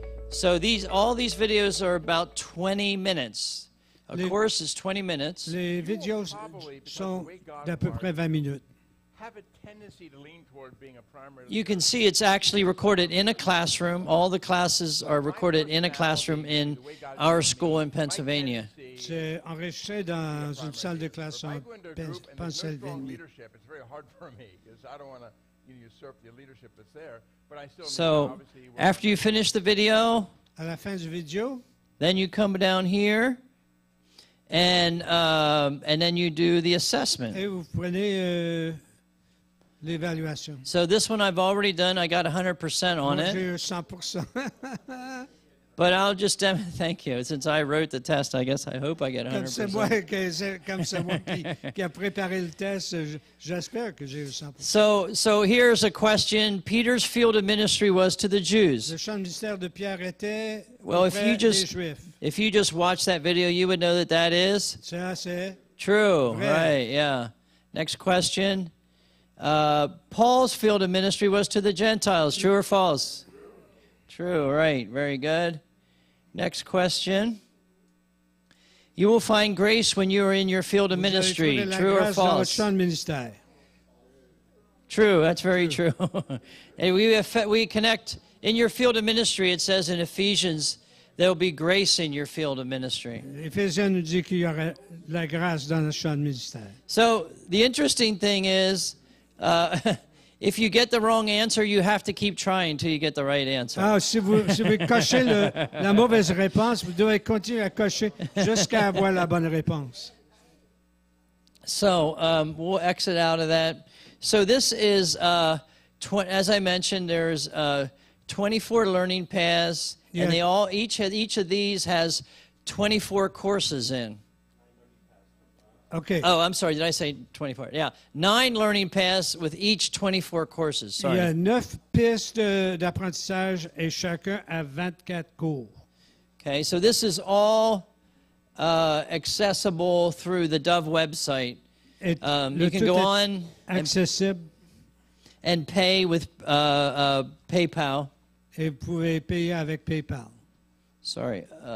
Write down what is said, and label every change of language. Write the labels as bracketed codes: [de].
[en] So all these videos are about 20 minutes. Of course, it's 20 minutes. [fr] Les vidéos sont d'à peu près 20 minutes. [en] Have a tendency to lean toward being a primary. You can see it's actually recorded in a classroom. All the classes are recorded in a classroom in our school in Pennsylvania. [fr] C'est enregistré dans une salle de classe en Pennsylvania. [en] It's very hard for me because I don't want to usurp the leadership that's there. But I still. So after you finish the video. [fr] À la fin du vidéo. [en] Then you come down here. And then you do the assessment. [fr] Et vous prenez, l'évaluation. [en] So this one I've already done. I got 100% on [fr] moi, [en] it. [fr] J'ai 100%. [en] But I'll just thank you. Since I wrote the test, I guess I hope I get 100%. [fr] Comme c'est moi qui a préparé le test, j'espère que j'ai 100%. [en] So here's a question. Peter's field of ministry was to the Jews. [fr] Le champ de ministère de Pierre était [en] well, if you just watch that video, you would know that is [fr] c'est [en] true, [fr] vrai. [en] Right? Yeah. Next question. Paul's field of ministry was to the Gentiles. True or false? True, right, very good. Next question. You will find grace when you are in your field of ministry. True or false? True, that's very true. And we connect in your field of ministry, it says in Ephesians, there will be grace in your field of ministry. [fr] Ephesians nous dit qu'il y aura la grâce dans le champ de ministère. [en] So the interesting thing is if you get the wrong answer, you have to keep trying until you get the right answer. [fr] Ah, si vous cochez la mauvaise réponse, vous devez continuer à cocher jusqu'à avoir la bonne réponse. [en] So, we'll exit out of that. So this is, as I mentioned, there's 24 learning paths, yeah. And they all each of these has 24 courses in. Okay. Oh, I'm sorry. Did I say 24? Yeah, 9 learning paths with each 24 courses. Sorry. [fr] Il y a 9 pistes d'apprentissage et chacun a 24 cours. [en] Okay, so this is all accessible through the Dove website. You can go on accessible. And pay with PayPal. [fr] Et vous pouvez payer avec PayPal. [en] Sorry.